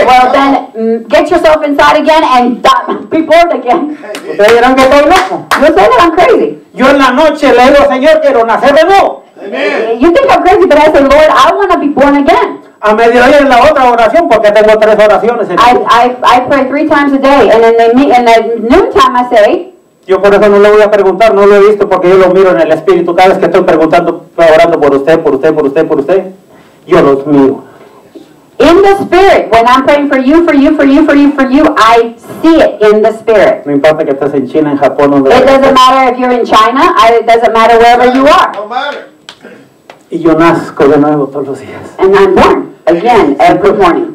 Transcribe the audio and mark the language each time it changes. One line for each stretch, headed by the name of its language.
English: Well, then, get yourself inside again and be born again.
Spanish: Ustedes dirán que estoy loco.
English: You say that I'm crazy.
Spanish: Yo en la noche le digo, Señor, quiero nacer de nuevo.
English: Amen. You think I'm crazy, but I say, Lord, I want to be born again.
Spanish: A mediodía en la otra oración, porque tengo tres oraciones.
English: I pray three times a day, and then in the noontime I say,
Spanish: yo por eso no le voy a preguntar, no lo he visto, porque yo lo miro en el Espíritu. Cada vez que estoy preguntando, estoy orando por usted, por usted, por usted, por usted, yo los miro.
English: In the Spirit, when I'm praying for you, for you, for you, for you, for you, I see it in the Spirit.
Spanish: No importa que estés en China, en Japón, donde
English: it doesn't
Spanish: estés.
English: Matter if you're in China, it doesn't matter wherever you are. No matter.
Spanish: Y yo nazco de nuevo todos los días.
English: And I'm born again every morning.